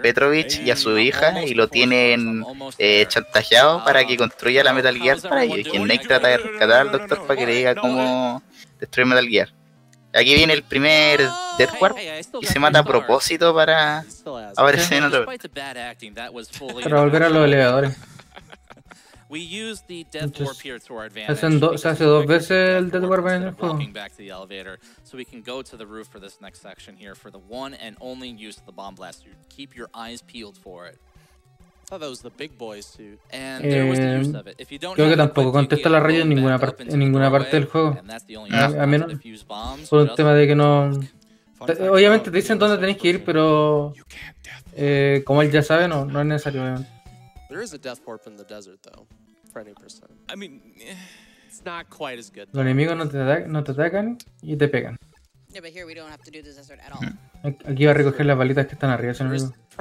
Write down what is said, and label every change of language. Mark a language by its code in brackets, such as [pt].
[es] Petrovich y a su hija y lo tienen chantajeado para que construya la Metal Gear para ellos. Y Snake trata de rescatar al Doctor para que le diga cómo destruir Metal Gear. Aquí viene el primer Death Guard y se mata a propósito para aparecer en otro. Para volver a los elevadores. [en] We use the death warp here to our advantage. [es] Se hace dos veces el death warp en el juego. [en] Walking back to the elevator, so we can go to the roof for this next section here for the one and only use of the bomb blaster. Keep your eyes peeled for it. I thought that was the big boy's suit. And there was the use of it. If you don't, [es] creo que tampoco contesta la radio en ninguna parte del juego. A menos por un tema de que no. Obviamente te dicen dónde tenéis que ir, pero como él ya sabe, no es necesario. [en] There is a death warp in the desert, though, for any person. I mean, it's not quite as good. [es] Los enemigos no te atacan y te pegan. [en] Yeah, but here we don't have to do the desert at all. [es] Aquí va a recoger las balitas que están arriba, ese enemigo.